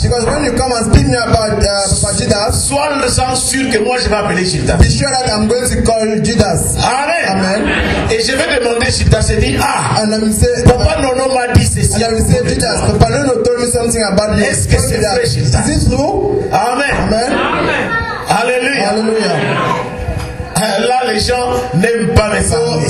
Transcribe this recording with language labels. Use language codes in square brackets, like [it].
[en] because when you come and speak me about Gildas, [fr] sois sûr que moi je vais appeler Gildas. [en] Be sure that I'm going to call Gildas. Amen. Amen. [fr] Et je vais demander Gildas et dire ah. [en] And I will say, [fr] Papa Nono m'a dit ceci. [en] And I will say, Gildas, Papa Nono told me something about you. [fr] Est-ce que c'est vrai, Gildas? [en] Is it true? Amen. Amen. Alléluia. Alléluia. [fr] Là, les gens n'aiment pas mes paroles.